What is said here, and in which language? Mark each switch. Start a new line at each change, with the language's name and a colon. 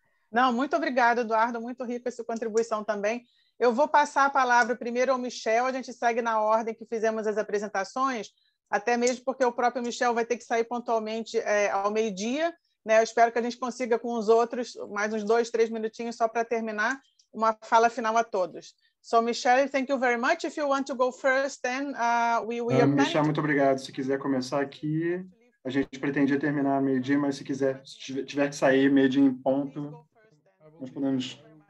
Portuguese: Não, muito obrigada, Eduardo. Muito rico essa contribuição também. Eu vou passar a palavra primeiro ao Michel. A gente segue na ordem que fizemos as apresentações, até mesmo porque o próprio Michel vai ter que sair pontualmente ao meio-dia. Né? Eu espero que a gente consiga com os outros mais uns 2-3 minutinhos só para terminar uma fala final a todos.
English: So, Michel, thank you very much. If you want to go first, then we are planning.
Portuguese: Michel, muito obrigado. Se quiser começar aqui, a gente pretendia terminar meio-dia, mas se quiser, se tiver que sair meio-dia em ponto, nós podemos...